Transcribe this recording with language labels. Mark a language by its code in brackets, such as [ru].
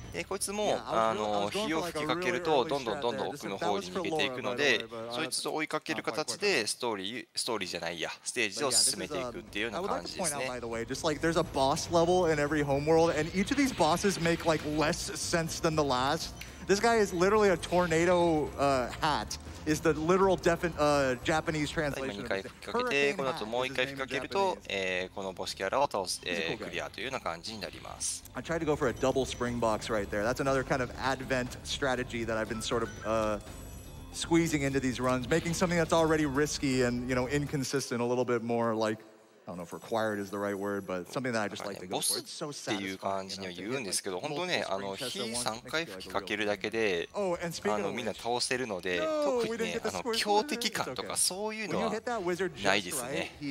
[ja] こいつも火を吹きかけるとどんどんどんどん奥の方に逃げていくので、そいつと追いかける形でストーリーじゃないやステージを進めていくっていうような感じですね。 [en] There's a boss level in every homeworld and each of these bosses make like less sense than the last. This guy is literally a tornado hat. Is the literal Japanese translation? [ja] 今2回吹きかけて、この後もう1回吹きかけると、このボスキャラを倒す、クリアというような感じになります。 [en] I tried to go for a double spring box right there. That's another kind of advent strategy that I've been sort of squeezing into these runs, making something that's already risky and you know inconsistent a little bit more like I don't know if required is the right word, but something that I just like to go for. [ja] ボスっていう感じには言うんですけど、本当ね、火3回吹きかけるだけでみんな倒せるので、特にね、強敵感とかそういうのはないですね。